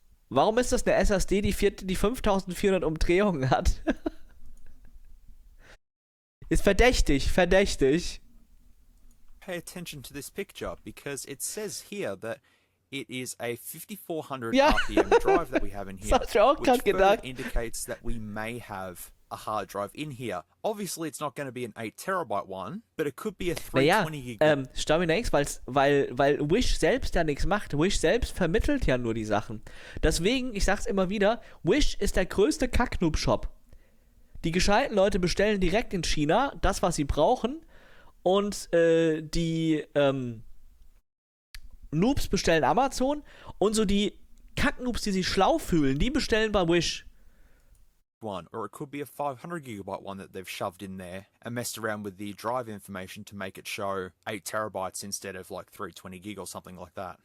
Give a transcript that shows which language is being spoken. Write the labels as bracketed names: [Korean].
[German] Warum ist das eine SSD, die 5400 Umdrehungen hat? Ist verdächtig. [English] Pay attention to this picture, because it says here that it is a 5400 RPM drive that we have in here, which further indicates that we may have a hard drive in here. Obviously it's not going to be an 8 terabyte one, but it could be a 320 gig. [German] Stominex, weil Wish selbst ja nichts macht. Wish selbst vermittelt ja nur die Sachen. Deswegen, ich sag's immer wieder, Wish ist der größte Kacknoob-Shop. Die gescheiten Leute bestellen direkt in China das, was sie brauchen, und die Noobs bestellen Amazon, und so die Kacknoobs, die sich schlau fühlen, die bestellen bei Wish. [English] One, or it could be a 500 gigabyte one that they've shoved in there and messed around with the drive information to make it show 8 terabytes instead of like 320 gig or something like that.